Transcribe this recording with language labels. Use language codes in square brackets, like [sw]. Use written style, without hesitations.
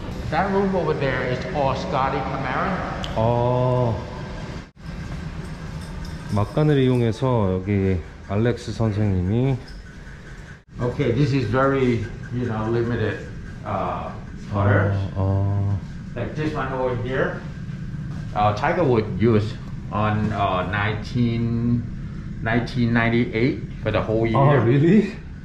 [en] That room over there is all Scotty Camara. Oh. [ko] 막간을 이용해서 여기 알렉스 선생님이. [en] Okay, this is very, you know, limited color. Like this one over here, Tiger Wood used on 1998 for the whole year. Oh, really?